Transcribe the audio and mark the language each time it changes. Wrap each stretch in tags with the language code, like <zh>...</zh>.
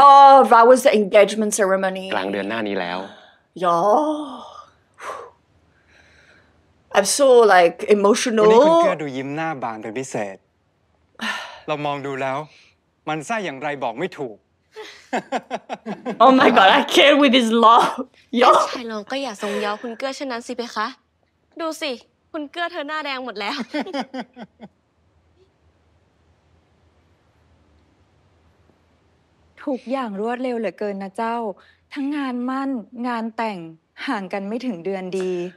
<en>Oh, that was the engagement ceremony.</en> <th>กลางเดือนหน้านี้แล้ว</th> <en>Y'all, I'm so like emotional.</en> <th>วันนี้คุณเก้อดูยิ้มหน้าบานเป็นพิเศษเรามองดูแล้วมันซ่าอย่างไรบอกไม่ถูก</th> <en>Oh my God, I can't with his love. Y'all.</en> <th>ชายลองก็อย่าทรงย้อคุณเก้อเช่นนั้นสิเพคะดูสิคุณเกื้อเธอหน้าแดงหมดแล้ว ทุกอย่างรวดเร็วเหลือเกินนะเจ้าทั้งงานมั่นงานแต่งห่างกันไม่ถึงเดือนดี</th>